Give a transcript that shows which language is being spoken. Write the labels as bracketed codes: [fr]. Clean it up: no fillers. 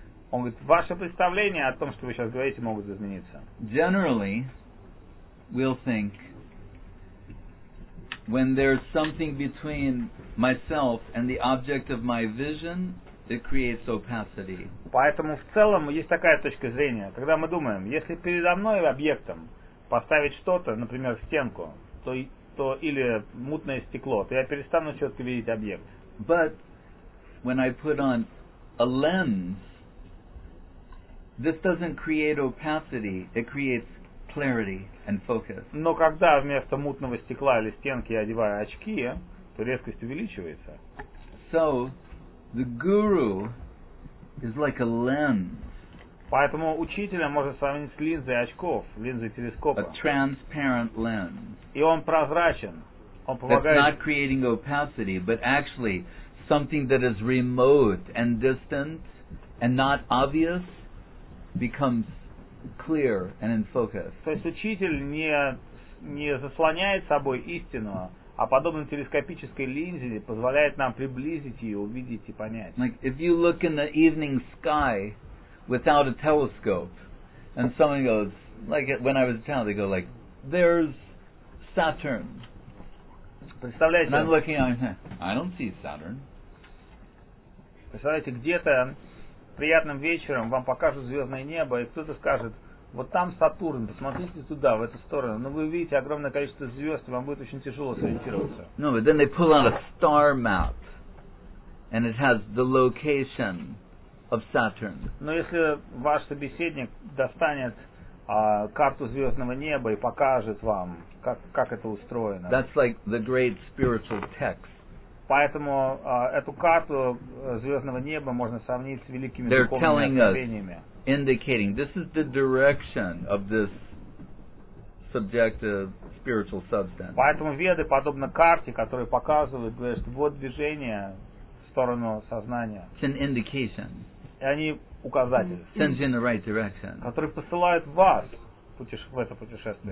[ru] Он говорит, ваше представление о том, что вы сейчас говорите, могут измениться. [en] Generally, we'll think, when there's something between myself and the object of my vision, it creates opacity. [ru] Поэтому в целом есть такая точка зрения, когда мы думаем, если передо мной объектом поставить что-то, например, стенку, то или мутное стекло, то я перестану четко видеть объект. [en] But when I put on a lens, this doesn't create opacity, it creates clarity and focus. [ru] Но когда вместо мутного стекла или стенки я одеваю очки, то резкость увеличивается. [en] So, the guru is like a lens. [ru] Поэтому учителя можно сравнить с линзой очков, линзой телескопа. [en] A transparent lens. [ru] И он прозрачен. Он помогает... [en] That's not creating opacity, but actually something that is remote and distant and not obvious becomes clear and in focus. [ru] То есть учитель не заслоняет собой истину, а подобно телескопической линзе позволяет нам приблизить ее, увидеть и понять. [en] Like if you look in the evening sky without a telescope, and someone goes, like when I was a child, they go like, there's Saturn. [ru] Представляете? [en] And I'm looking, I don't see Saturn. [ru] Представляете, где-то приятным вечером вам покажут звездное небо, и кто-то скажет, вот там Сатурн, посмотрите туда, в эту сторону. Но вы увидите огромное количество звезд, и вам будет очень тяжело сориентироваться. [en] No, but then they pull out a star map, and it has the location of Saturn. [ru] Но если ваш собеседник достанет карту звездного неба и покажет вам, как это устроено. [en] That's like the great spiritual text. [ru] Поэтому эту карту звездного неба можно сравнить с великими [en] They're [ru] духовными откровениями. [en] Us, indicating this is the direction of this subjective spiritual substance. [ru] Поэтому веды подобно карте, которая показывает, говорит, что вот движение в сторону сознания. [en] It's an indication. [ru] И они указатели. [en] Sends you in the right direction. [ru] Которые посылают вас в это путешествие.